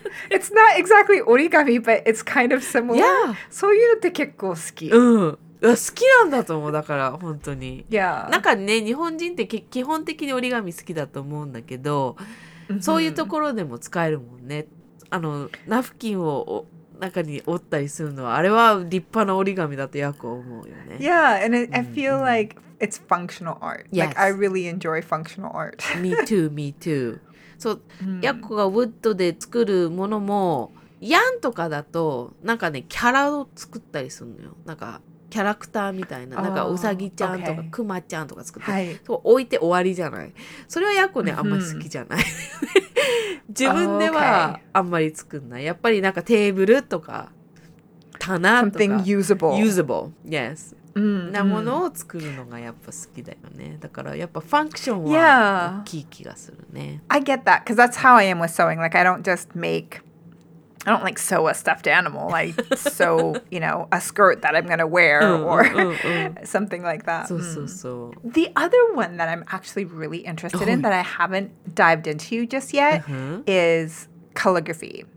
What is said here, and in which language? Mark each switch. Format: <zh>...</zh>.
<en>It's not exactly origami, but it's kind of similar. Yeah.</en> <ja>そういうのって結構好き。うん。好きなんだと思う。だから本当に。</ja> <en>Yeah.</en> <ja>なんかね、日本人って基本的に折り紙好きだと思うんだけど、そういうところでも使えるもんね。あのナフキンを中に折ったりするのはあれは立派な折り紙だとよく思うよね。</ja> <en>Yeah, and I feel like it's functional art. Yes. Like I really enjoy functional art. Me too, me too.</en> <ja>そう、ヤコがウッドで作るものもヤンとかだとなんかねキャラを作ったりするのよ。なんかキャラクターみたいな、なんかウサギちゃんとかクマちゃんとか作って、そう置いて終わりじゃない。それはヤコね、あんまり好きじゃない。自分ではあんまり作んない。やっぱりなんかテーブルとか棚とか</ja> <en>something usable, usable, yes、 mm-hmm.</en> <ja>なものを作るのがやっぱ好きだよね。だからやっぱファンクションは大きい気がするね。</ja> <en>Yeah. I get that because that's how I am with sewing. Like I don't just make, I don't like sew a stuffed animal. I sew, you know, a skirt that I'm gonna wear or something like that.</en> <ja>そうそうそう。</ja> <en>The other one that I'm actually really interested in that I haven't dived into just yet is calligraphy.</en>